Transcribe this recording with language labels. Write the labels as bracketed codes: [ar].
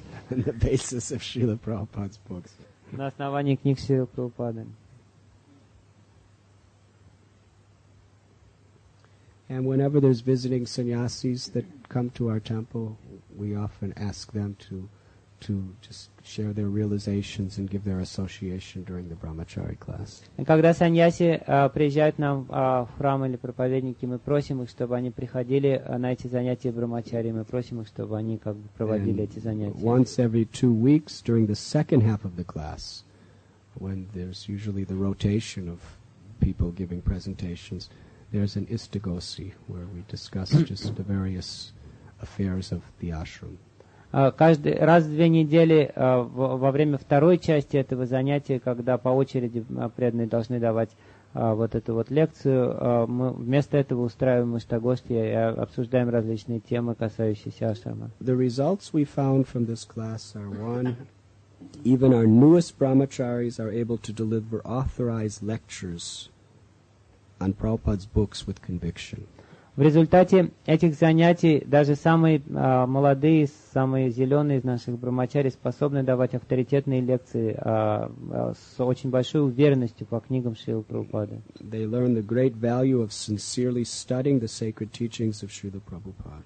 [en] On the basis of Srila Prabhupada's books. [ru] На основании книг Шрилы Прабхупады. [en] And whenever there's visiting sannyasis that come to our temple, we often ask them to just share their realizations and give their association during the brahmachari class. [ru] Когда саньяси приезжают нам в храм или проповедники, мы просим их, чтобы они приходили на эти занятия брахмачари, мы просим их, чтобы они как бы проводили эти занятия. [en] Once every 2 weeks during the second half of the class, when there's usually the rotation of people giving presentations, there's an istigosi where we discuss just the various affairs of the ashram. [ru] Каждый раз в две недели во время второй части этого занятия, когда по очереди преданные должны давать вот эту вот лекцию, мы вместо этого устраиваем иштагости и обсуждаем различные темы, касающиеся ашрама. [en] The results we found from this class are one, even our newest brahmacharis are able to deliver authorized lectures on Prabhupada's books with conviction. [ru] В результате этих занятий даже самые молодые, самые зеленые из наших брахмачари способны давать авторитетные лекции с очень большой уверенностью по книгам Шрилы Прабхупады. [en] They learn the great value of sincerely studying the sacred teachings of Srila Prabhupada.